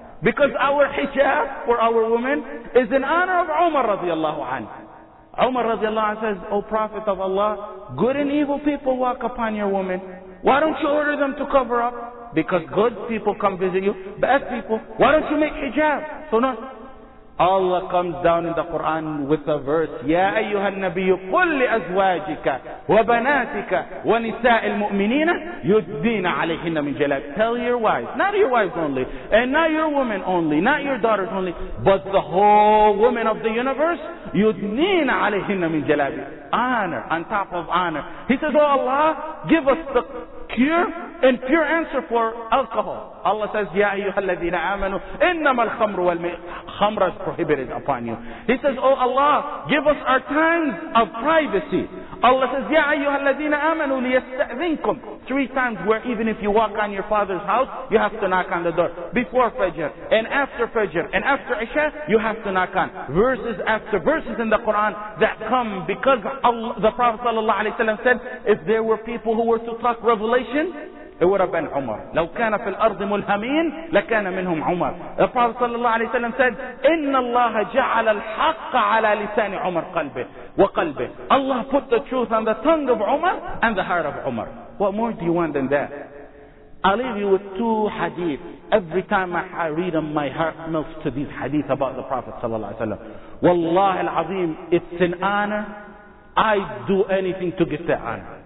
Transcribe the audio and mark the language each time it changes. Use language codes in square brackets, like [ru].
[en] Because our hijab for our women is in honor of Umar radiallahu anhu. Umar radiallahu anhu says, O Prophet of Allah, good and evil people walk upon your women. Why don't you order them to cover up? Because good people come visit you, bad people. Why don't you make hijab? So no. Allah comes down in the Quran with a verse, [ar] يا أيها النبي قل لأزواجك وبناتك ونساء المؤمنين يدين عليهن من جلاب. [en] Tell your wives, not your wives only, and not your women only, not your daughters only, but the whole women of the universe, [ar] يدين عليهن من جلاب. [en] Honor on top of honor. He says, oh Allah, give us the cure and pure answer for alcohol. Allah says, [ar] يَا أَيُّهَا الَّذِينَ آمَنُوا إِنَّمَا الْخَمْرُ وَالْمَيْسِرُ. [en] Khamra is prohibited upon you. He says, oh Allah, give us our times of privacy. Allah says, [ar] يَا أَيُّهَا الَّذِينَ آمَنُوا لِيَسْتَأْذِنْكُمْ. [en] 3 times where even if you walk on your father's house, you have to knock on the door. Before Fajr, and after Isha, you have to knock on. Verses after verses in the Quran that come because Allah, the Prophet sallallahu alayhi wa sallam said, if there were people who were to talk revelation, it would have been Umar. [ar] لو كان في الأرض ملهمين لكان منهم عمر. [en] The Prophet sallallahu alayhi wa sallam said, [ar] إِنَّ اللَّهَ جَعَلَ الْحَقَّ عَلَى لِسَانِ عُمَرْ وَقَلْبِهِ. [en] Allah put the truth on the tongue of Umar and the heart of Umar. What more do you want than that? I'll leave you with 2 hadith. Every time I read them, my heart melts to these hadith about the Prophet sallallahu alayhi wa sallam. [ar] وَاللَّهِ الْعَظِيمِ, [en] it's an honor. I'd do anything to get that honor.